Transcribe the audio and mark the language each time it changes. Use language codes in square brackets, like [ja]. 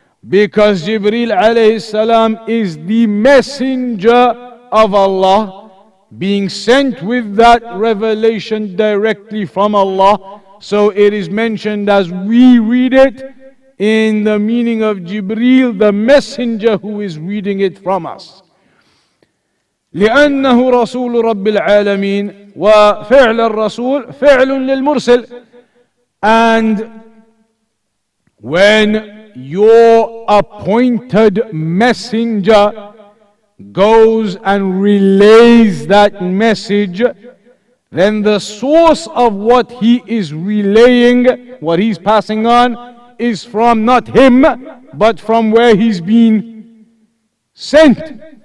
[en] Because Jibreel alayhi salam is the messenger of Allah, being sent with that revelation directly from Allah. So it is mentioned as we read it, in the meaning of Jibreel, the messenger who is reading it from us. [ar] لأنه رسول رب العالمين وفعل الرسول فعل للمرسل. [en] And when your appointed messenger goes and relays that message, then the source of what he is relaying, what he's passing on, is from not him, but from where he's been sent.